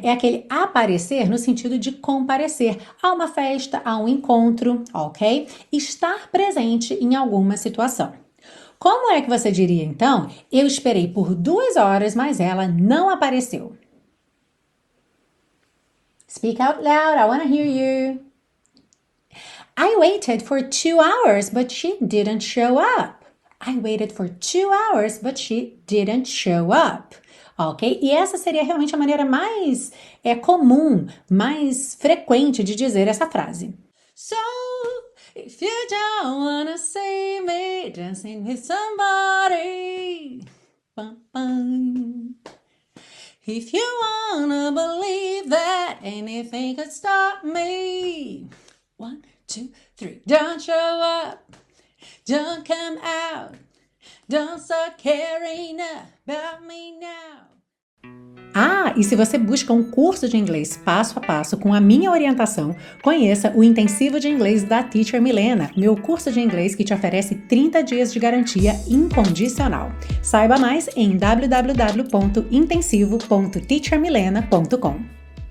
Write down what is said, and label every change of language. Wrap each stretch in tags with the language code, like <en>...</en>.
<pt>É aquele aparecer no sentido de comparecer a uma festa, a um encontro, ok? Estar presente em alguma situação. Como é que você diria, então, eu esperei por 2 horas, mas ela não apareceu?</pt> <en>Speak out loud, I want to hear you. I waited for 2 hours, but she didn't show up. I waited for 2 hours, but she didn't show up. Ok?</en> <pt>E essa seria realmente a maneira mais comum, mais frequente de dizer essa frase.</pt> <en>So, if you don't wanna see me dancing with somebody, bum, bum. If you wanna believe that anything could stop me, 1, 2, 3, don't show up, don't come out, don't start caring about me now.</en> <pt>Ah, e se você busca um curso de inglês passo a passo com a minha orientação, conheça o Intensivo de Inglês da Teacher Milena, meu curso de inglês que te oferece 30 dias de garantia incondicional. Saiba mais em www.intensivo.teachermilena.com.</pt>